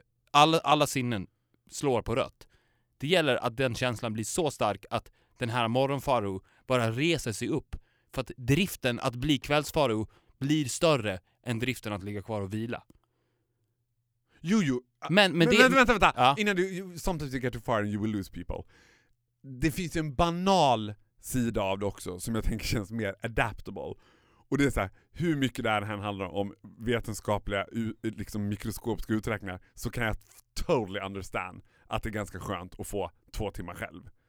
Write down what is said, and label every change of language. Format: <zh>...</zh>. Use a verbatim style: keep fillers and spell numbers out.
<sv>Alla, alla sinnen slår på rött. Det gäller att den känslan blir så stark att den här morgonfaro bara reser sig upp. För att driften att bli kvällsfaro blir större än driften att ligga kvar och vila. Jo, jo. Men, men, men det, vänta, vänta, vänta. Ja.</sv> <en>Innan du, you, sometimes you get too far and you will lose people.</en> <sv>Det finns ju en banal sida av det också som jag tänker känns mer adaptable. Och det är så här, hur mycket det här handlar om vetenskapliga liksom mikroskopiska uträkningar, så kan jag totally understand att det är ganska skönt att få två timmar själv.</sv>